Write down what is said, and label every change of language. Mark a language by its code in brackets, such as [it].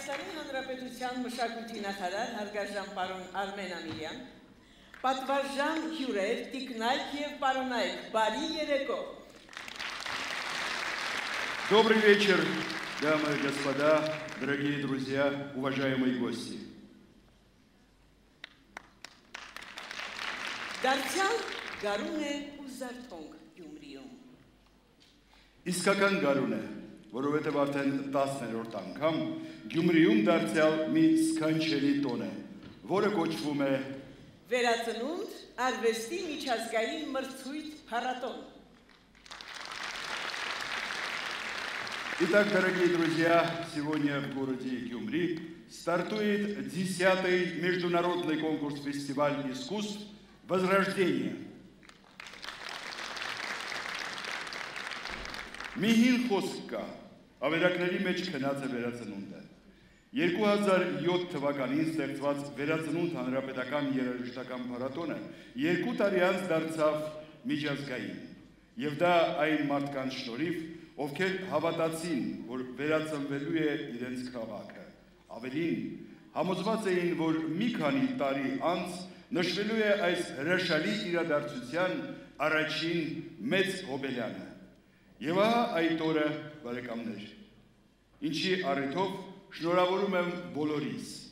[hy] Մշակույթի նախարար հարգարժան պարոն Արմեն Ամիրյան, պատվարժան հյուրեր, տիկնայք և պարոնայք, բարի երեկո։ [ru] Добрый вечер, дамы и господа, дорогие друзья, уважаемые гости. [hy] Դարձյալ գարուն է ու զարթոնք Գյումրիում։ Իսկական գարուն է, որովհետև արդեն 10-րդ անգամ Գյումրիում դարձյալ մի սքանչելի տոն է, որը կոչվում է Վերածնունդ արվեստի միջազգային մրցույթ փառատոն։ [ru] Итак, дорогие друзья, сегодня в городе Гюмри стартует 10-й международный конкурс-фестиваль искусств «Возрождение». [hy] Միհին խոսքը ավերակների մեջ քնած է Վերածնունդը։ 2007 թվականին ստեղծված Վերածնունդ հանրապետական երաժշտական փառատոնը 2 տարի անց դարձավ միջազգային, և դա այն մարդկանց շնորհիվ, ովքեր հավատացին, որ վերածնվելու է իրենց քաղաքը։ Ավելին, համոզված էին, որ մի քանի տարի անց նշվելու է այս հրաշալի իրադարձության առաջին մեծ հոբելյանը։ Եվ ահա այդ օրը, բարեկամներ, ինչի առիթով շնորհավորում եմ բոլորիս։